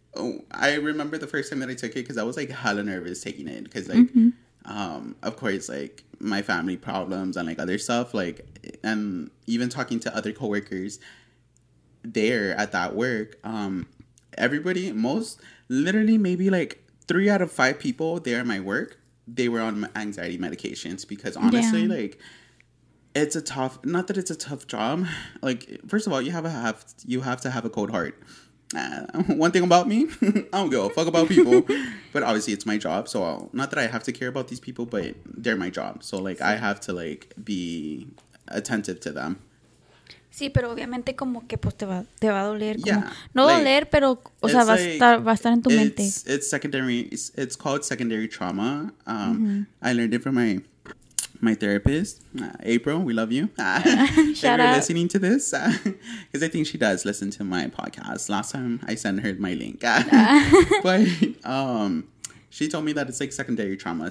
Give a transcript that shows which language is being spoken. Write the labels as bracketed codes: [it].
[en] Oh, I remember the first time that I took it because I was, like, hella nervous taking it because, like, of course, like, my family problems and, like, other stuff, like, and even talking to other coworkers there at that work, everybody, most, literally maybe, like, 3 out of 5 people there at my work, they were on anxiety medications because, honestly, yeah, like, it's a tough, not that it's a tough job, like, first of all, you have to have a cold heart. One thing about me, I don't give a fuck about people. But obviously, it's my job, so I'll, not that I have to care about these people, but they're my job, so, like, sí, I have to, like, be attentive to them. [es] Sí, pero obviamente como que pues te va a doler, yeah, como, no, like, doler, pero o sea, like, va a estar en tu mente. [en] It's secondary. It's called secondary trauma. I learned it from my therapist, April, we love you. Shout out. If you're listening to this, because I think she does listen to my podcast. Last time I sent her my link. But she told me that it's like secondary trauma.